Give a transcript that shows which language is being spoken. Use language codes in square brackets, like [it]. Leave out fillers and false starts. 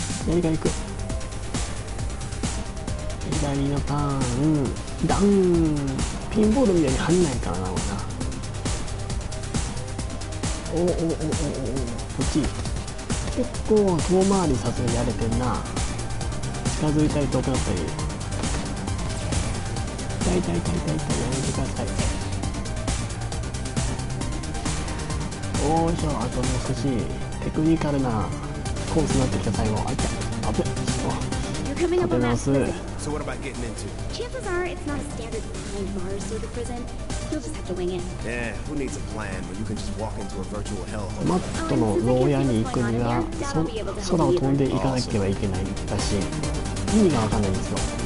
[ja] 左が行く左のターンダウンピンボールみたいに跳ねないからなおなおおおおおおこっち結構遠回りさせられてんな近づいたり遠くなったり痛い痛い痛い痛い痛いやめてくださいおーしょあともう少しテクニカルなコースになってきた最後あいったあぶっ勝てます [en] So what about getting into? Chances are it's not a standard behind bars sort of prison. You'll just have to wing it. Eh, who needs a plan when you can just walk into a virtual hell? [ja] マットの牢屋に行くには空を飛んで行かなければいけないらしい。意味がわかんないんですよ。